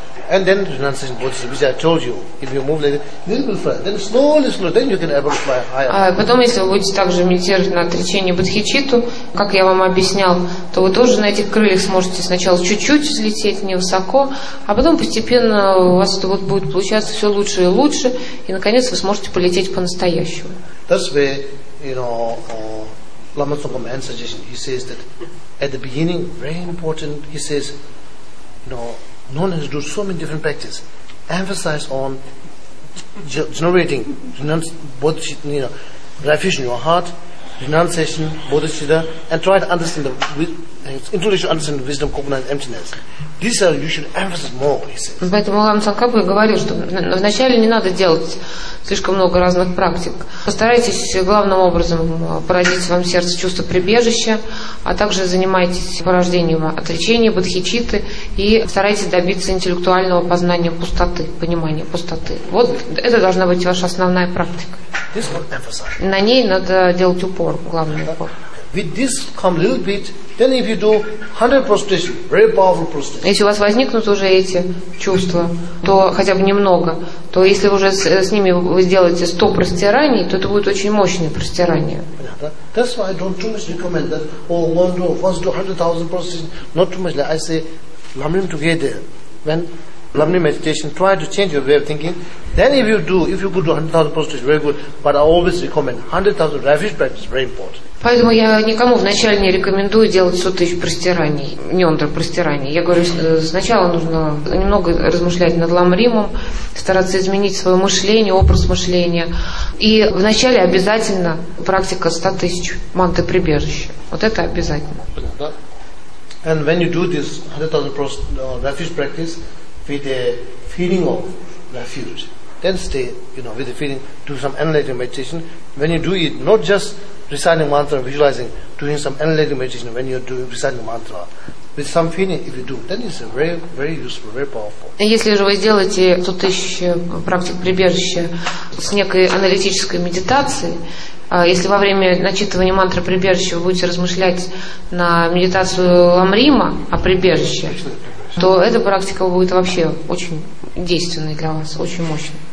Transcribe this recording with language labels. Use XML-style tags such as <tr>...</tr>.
<en>And then renunciation process, which I told you, if you move like that, little bit fly, then slowly, slowly, then you can ever fly higher.</en> <ru>А потом, если вы будете также медитировать на отречение бодхичитту, как я вам объяснял, то вы тоже на этих крыльях сможете сначала чуть-чуть взлететь невысоко, а потом постепенно у вас это вот будет получаться все лучше и лучше, и наконец вы сможете полететь по-настоящему.</ru> <en>That's where, you know, Lama Tsongkhapa Man's suggestion. He says that at the beginning, very important. He says, you know. Known as do so many different practices, emphasize on generating bodhicitta, you know, refuge in your heart, renunciation, bodhicitta, and try to understand the intellectual understand the wisdom, cognizance, emptiness. These are you should emphasize more, he says.</en> <ru>Поэтому Лама Цонгкапа говорил, что вначале не надо делать слишком много разных практик. Постарайтесь главным образом породить в вам сердце чувство прибежища, а также занимайтесь порождением отречения, бодхичитты и старайтесь добиться интеллектуального познания пустоты, понимания пустоты. Вот это должна быть ваша основная практика. На ней надо делать упор, главный упор.</ru> <en>With this come a little bit, then if you do 100 prostration, very powerful prostration.</en> <ru>Если у вас возникнут уже эти чувства, то хотя бы немного, то если уже с ними вы сделаете 100 простираний, то это будет очень мощное простирание.</ru> <en>That's why I don't too much recommend that. Oh, one do, first do 100,000 processes, not too much. Like I say, Lamrim together. When Lamrim meditation, try to change your way of thinking. Then if you do, if you could do 100,000 processes, very good. But I always recommend 100,000 refuge practice, very important.</en> <ru>Поэтому я никому вначале не рекомендую делать 100 тысяч простираний, ньондр простираний. Я говорю, сначала нужно немного размышлять над ламримом, стараться изменить свое мышление, образ мышления. И вначале обязательно практика 100 тысяч манты прибежища. Вот это обязательно.</ru> <en>And when you do this 100,000 refuge practice with a feeling of refuge, then stay, you know, with a feeling, do some analytic meditation. When you do it, not just reciting mantra, visualizing, doing some analytic meditation when you're doing reciting mantra, with some feeling, if you do, then it's very, very useful, very powerful.</en> <ru>Если же вы сделаете 100 тысяч практик прибежища с некой аналитической медитацией, если во время начитывания мантры прибежища вы будете размышлять на медитацию ламрима о прибежище, то эта практика будет вообще очень действенной для вас, очень мощной.</ru>